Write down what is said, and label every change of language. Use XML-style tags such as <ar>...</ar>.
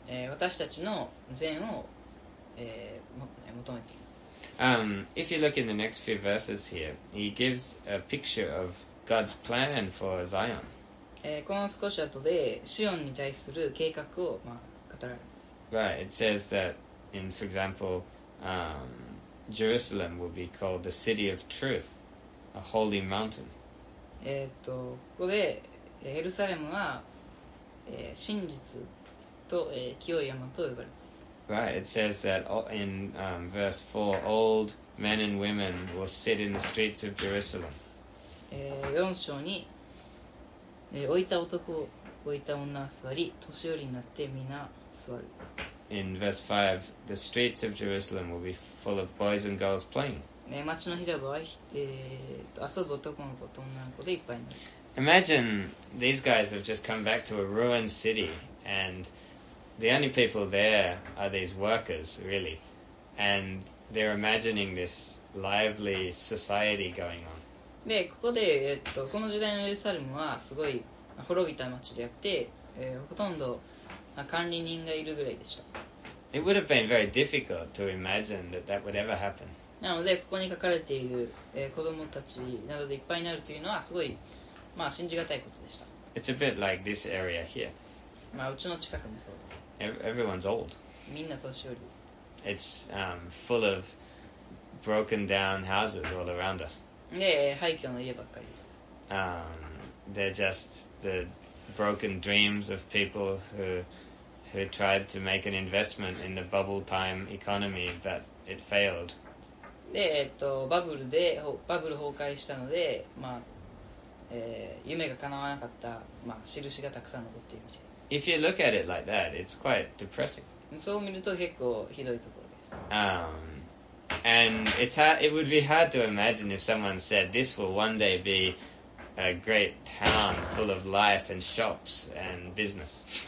<ja>私たちの善を、求めています。</ja> <en>If you look in the next few verses here, he gives a picture of God's plan for Zion.</en> <ja>この少し後でシオンに対する計画を、まあ、語られます。</ja> <en>Right, it says that, in, for example, Jerusalem will be called the city of truth, a holy mountain.</en> <ja>ここでエルサレムは、真実と、清い山と呼ばれます。</ja> <en>Right, it says that in verse 4, old men and women will sit in the streets of Jerusalem.</en> <ja>4章に、老いた男、老いた女は座り、年寄りになってみな座る。</ja> <en>In verse 5, the streets of Jerusalem will be full of boys and girls playing.</en> <ja>町の広場は、遊ぶ男の子と女の子でいっぱいになる。</ja> <en>Imagine these guys have just come back to a ruined city and... The only people there are these workers, really. And they're imagining this lively society going on.</en> <ja>で、ここで、この時代のエルサレムはすごい滅びた町であって、ほとんど、まあ、管理人がいるぐらいでした。</ja> <en>It would have been very difficult to imagine that that would ever happen.</en> <ja>なので、ここに書かれている、子供たちなどでいっぱいになるというのはすごい、まあ、信じがたいことでした。</ja> <en>It's a bit like this area here.</en> <ja>まあ、うちの近くもそうです。</ja> <en>Everyone's old.</en> <ja>みんな年寄りです。</ja> <en>It's full of broken down houses all around us.</en> <ja>で、廃墟の家ばっかりです。</ja> <en>They're just the broken dreams of people who tried to make an investment in the bubble time economy, but it failed.</en> <ja>で、バブル崩壊したので、まあ、夢が叶わなかった、まあ、印がたくさん残っているみたいな。</ja> <en>If you look at it like that, it's quite depressing.</en> <ja>そう見ると結構ひどいところです。</ja> <en>And it would be hard to imagine if someone said this will one day be a great town full of life and shops and business.</en>